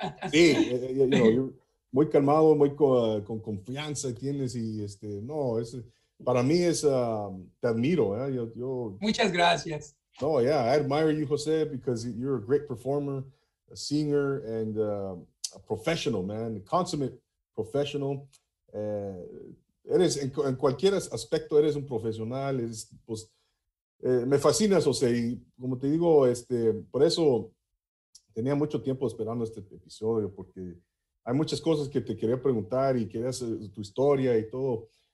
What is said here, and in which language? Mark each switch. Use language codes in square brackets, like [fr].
[es] Sí, [en] you're [es] muy calmado, muy con confianza tienes y para mí es, te admiro, ¿eh? Yo, muchas gracias. [en] No, yeah, I admire you, José, because you're a great performer, a singer, and a professional, man, a consummate professional. [es] Eres en cualquier aspecto, eres un profesional, me fascinas, José, y como te digo, por eso tenía mucho tiempo esperando este episodio, porque hay muchas cosas que te quería preguntar y quería hacer tu historia y todo.